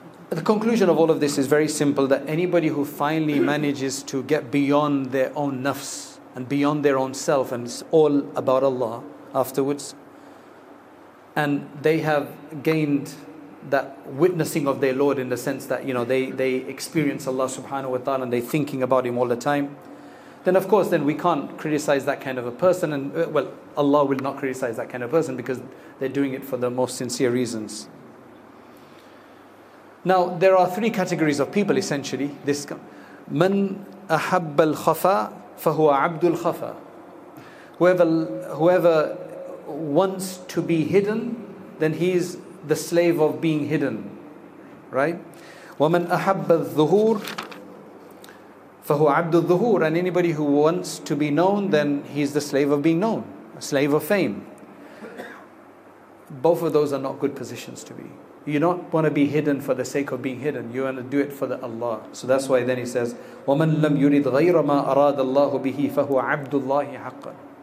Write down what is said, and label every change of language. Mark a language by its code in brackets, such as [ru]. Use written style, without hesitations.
[en] The conclusion of all of this is very simple, that anybody who finally manages to get beyond their own nafs and beyond their own self, and it's all about Allah afterwards, and they have gained that witnessing of their Lord in the sense that, you know, they experience Allah subhanahu wa ta'ala and they're thinking about Him all the time, then of course, then we can't criticize that kind of a person. And well, Allah will not criticize that kind of person because they're doing it for the most sincere reasons. Now, there are three categories of people essentially. [ar] This, من أحب الخفاء فهو عبد الخفاء. [en] Whoever wants to be hidden, then he's the slave of being hidden. Right? [ar] وَمَنْ أَحَبَّ الظُّهُورِ فَهُوَ عَبْدُ الظُّهُورِ. [en] And anybody who wants to be known, then he's the slave of being known, a slave of fame. Both of those are not good positions to be. You don't want to be hidden for the sake of being hidden. You want to do it for the Allah. So that's why then he says, [ar] وَمَنْ لَمْ يُرِدْ غَيْرَ مَا أَرَادَ اللَّهُ بِهِ فَهُوَ عَبْدُ اللَّهِ حَقًّا.